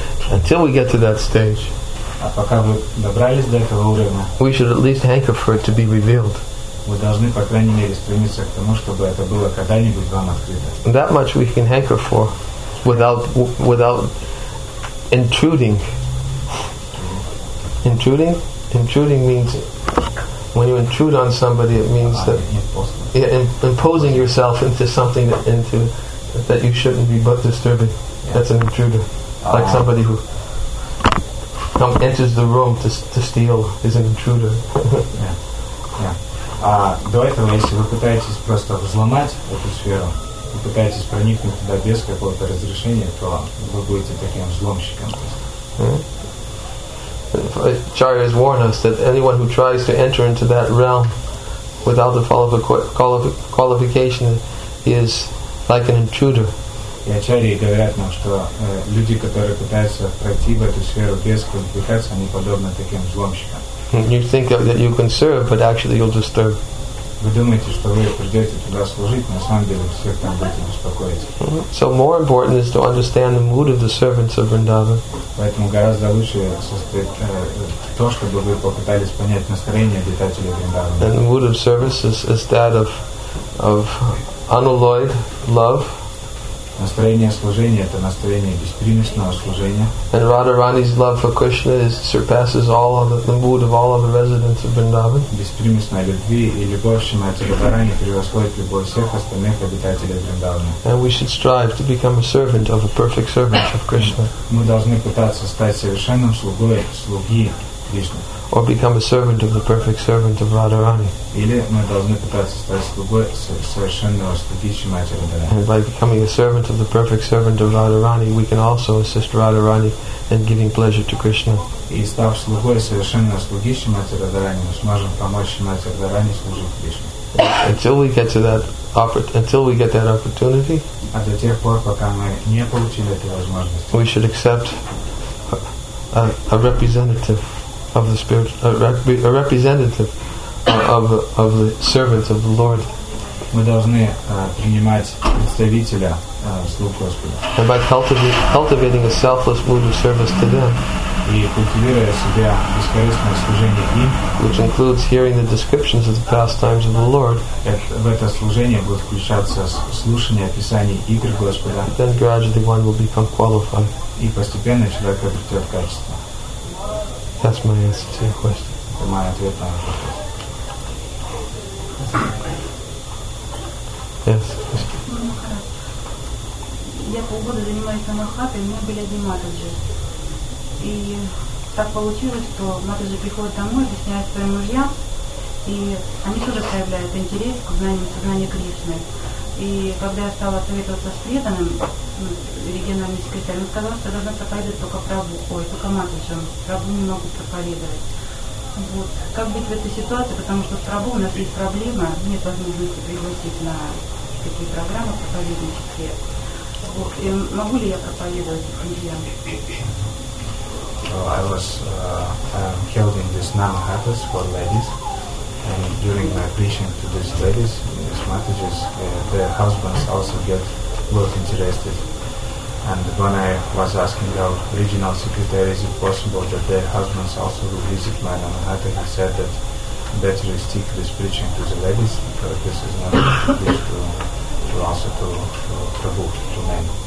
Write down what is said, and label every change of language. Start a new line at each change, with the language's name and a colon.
English: Until we get to that stage, we should at least hanker for it to be revealed.
Russian: Вы должны, по крайней мере, стремиться к тому, чтобы это было когда-нибудь вам открыто.
English: That much we can hanker for without intruding. Intruding means when you intrude on somebody, it means that imposing yourself into something that you shouldn't be but disturbing. Yeah. That's an intruder. Like somebody who enters the room to steal is an intruder. Yeah.
Russian: А до этого, если вы пытаетесь просто взломать эту сферу, вы пытаетесь проникнуть туда без какого-то разрешения, то вы будете таким взломщиком.
English: Acharya has warned us that anyone who tries to enter into that realm without the qualification is like an intruder.
Russian: И Ачарьи говорят нам, что люди, которые пытаются пройти в эту сферу без квалификации, они подобны таким взломщикам.
English: You think that you can serve, but actually you'll disturb.
Russian: Вы думаете, что вы придете туда служить, на самом деле всех там будете беспокоить.
English: So more important is to understand the mood of the servants of Vrindavan.
Russian: Поэтому гораздо лучше состоит то, чтобы вы попытались понять настроение обитателей Вриндавана.
English: And the mood of service is that of unalloyed love.
Russian: Настроение служения — это настроение беспримесного служения.
English: And Radharani's love for Krishna surpasses all of the mood of all of the residents of Vrindavan.
Russian: Беспримесная любви и любовь Шримати Радхарани превосходит любовь всех остальных обитателей Вриндавана.
English: And we should strive to become a servant of a perfect servant of Krishna.
Russian: Мы должны пытаться стать совершенным слугой слуги Кришны.
English: Or become a servant of the perfect servant of Radharani.
Russian: Или мы должны пытаться стать слугой совершенного слуги Шримати Радхарани.
English: And by becoming a servant of the perfect servant of Radharani, we can also assist Radharani in giving pleasure to Krishna.
Russian: И став слугой совершенного слуги Шримати Радхарани, мы сможем помочь Шримати Радхарани служить Кришне.
English: Until we get that opportunity.
Russian: А до тех пор, пока мы не получили этой возможности.
English: We should accept a representative. Of the spirit, a representative of the servants of the Lord.
Russian: Мы должны принимать представителя слуг Господа.
English: And by cultivating a selfless mood of service to them.
Russian: И культивируя себя бескорыстное служение им.
English: Which includes hearing the descriptions of the pastimes of the Lord.
Russian: В это служение будет включаться слушание описаний игр Господа.
English: Then gradually one will become qualified.
Russian: И постепенно человек обретет качество.
English: That's my answer to your question. My answer to your question. Yes.
Russian: Я полгода занимаюсь на Манхаттене, мы были одни матаджи. И так получилось, что матаджи приходят домой, объясняют своим мужьям, и они тоже проявляют интерес к знаниям сознания Кришны. И когда я стала советоваться с преданным региональным секретарем, он сказал, что должна проповедовать только Прабу, только матаджи, Прабу не могут проповедовать. Вот. Как быть в этой ситуации, потому что с Прабу у нас есть проблема, нет возможности пригласить на такие программы проповеднические. Вот. И могу ли я проповедовать с друзьям?
English: Well, I was held in this Namahattas for ladies. And during my preaching to these ladies, these matages, their husbands also got interested. And when I was asking the regional secretary, is it possible that their husbands also will visit my Namahata, he said that better stick this preaching to the ladies, because this is not a preach to answer to Prabhu, to men.